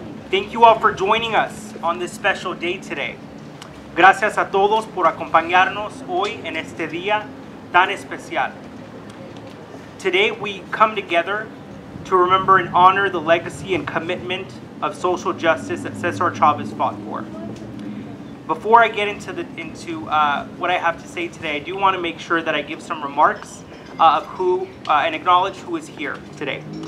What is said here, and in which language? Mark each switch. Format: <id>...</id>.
<en>Thank you all for joining us on this special day today.</en> <es>Gracias a todos por acompañarnos hoy en este día tan especial.</es> <en>Today we come together to remember and honor the legacy and commitment of social justice that Cesar Chavez fought for. Before I get into what I have to say today, I do want to make sure that I give some remarks and acknowledge who is here today.</en>